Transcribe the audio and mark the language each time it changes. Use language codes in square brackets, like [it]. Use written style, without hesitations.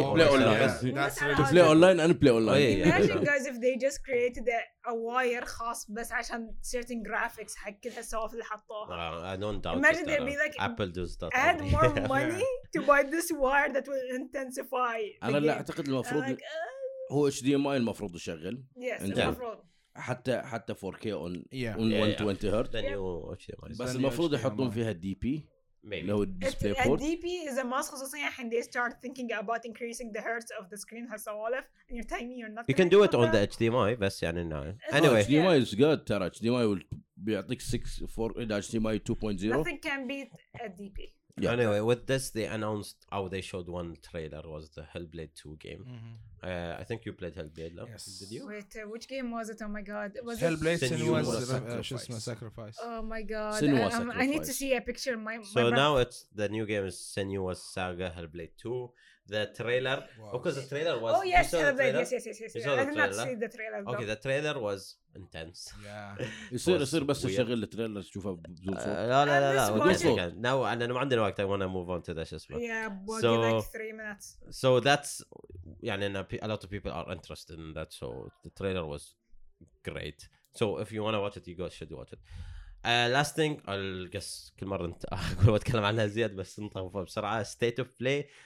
[en] online. To play online and play online. Imagine guys if they just created a wire [ar] خاص بس عشان [en] certain graphics [ar] حق كل هالسوالف اللي حطوها. [en] I don't doubt. Imagine they'd be like Apple does that. Add more money to buy this wire that will intensify. [ar] أنا لا أعتقد المفروض هو HDMI المفروض يشغل. [en] Yes, [ar] المفروض. حتى [en] 4K on 120 hertz. [ar] بس المفروض يحطون فيها DP. [en] Maybe. No, a DP is a must, especially when they start thinking about increasing the hertz of the screen. Has all of, and you're telling me you're not. You can do it on the HDMI, but yeah, no. Anyway, HDMI is good. Tera HDMI will be at like 6.4. HDMI 2.0. Nothing can beat a DP. Yeah. Anyway, with this, they announced how they showed one trailer was the Hellblade 2 game. Mm-hmm. I think you played Hellblade, no? Yes. Did you? Wait, which game was it? Oh my god. Was Hellblade Senua's Sacrifice. Oh my god. Senua's Sacrifice. I need to see a picture. Now it's the new game is Senua's Saga Hellblade 2. The trailer. Wow. Because the trailer was. Oh yes, Hellblade. Yes. I did not see the trailer. Okay, the trailer was. Intense. Yeah. [ar] يصير بس شغل التريلر تشوفه بزوم فوق. لا لا لا لا. [en] Now [ar] أنا ما عندي وقت. [en] I wanna move on to this as well. Yeah. So like 3 minutes. So that's [ar] يعني أنا [en] a lot of people are interested in that. So the trailer was great. So if you wanna watch it, you guys should watch it. Last thing, I'll guess [ar] كل مرة أنت أقول بتكلم عنها زياد بس نطفى بسرعة. [en] State of play.